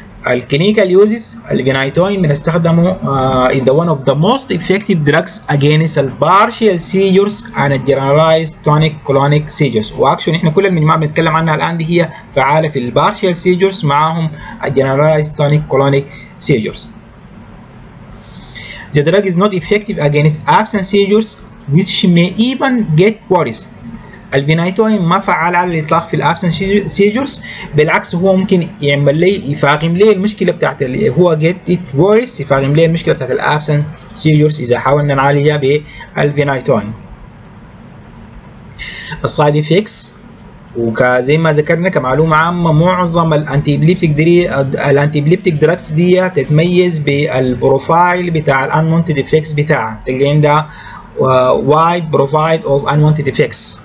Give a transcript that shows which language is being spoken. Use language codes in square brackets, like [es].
[en] الكلينيكال يوزز الفينايتوين [ar] بنستخدمه [en] is the one of the most effective drugs against partial seizures and generalized tonic colonic seizures. [ar] واكشن احنا كل اللي بنتكلم عنها الان دي هي فعاله في البارشال سيجرز معاهم [en] generalized tonic colonic seizures. The drug is not effective against absent seizures which may even get worse. [ar] الفينايتوين ما فعال على الاطلاق في الابسنت سيجرز، بالعكس هو ممكن يعمل لي يفاقم لي المشكله بتاعت اللي هو جيت ات ورس يفاقم لي المشكله بتاعت الابسنت سيجرز اذا حاولنا نعالجها بالفينايتوين. السايد افكتس وكزي ما ذكرنا كمعلومه عامه معظم الانتيبليبتيك دراكس دي تتميز بالبروفايل بتاع الانونتد افكتس بتاعها، تلقى عندها وايد بروفايد اوف انونتد افكتس.